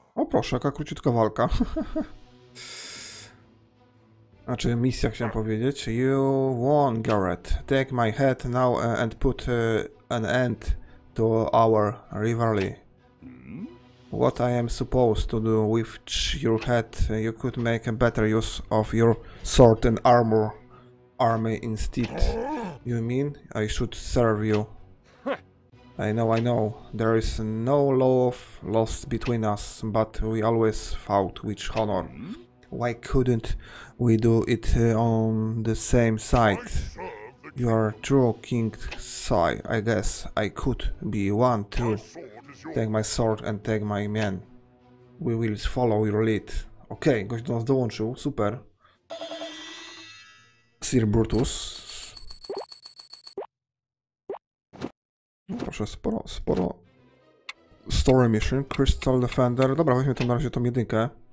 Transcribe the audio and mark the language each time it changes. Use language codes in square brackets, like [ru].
[pl] Proszę, jaka króciutka walka. Znaczy misja, chciałem powiedzieć. [en] You won, Garrett. Take my head now and put an end to our rivalry. What I am supposed to do with your head? You could make a better use of your sword and armor army instead. You mean I should serve you? I know, there is no love lost between us, but we always fought with honor. Why couldn't we do it on the same side? You are true king's side, I guess. I could be one too. Take my sword and take my men. We will follow your lead. [pl] Okay, gość do nas dołączył, super. Sir Brutus. Proszę, sporo Story Mission, Crystal Defender. Dobra, weźmy tam na razie tą jedynkę.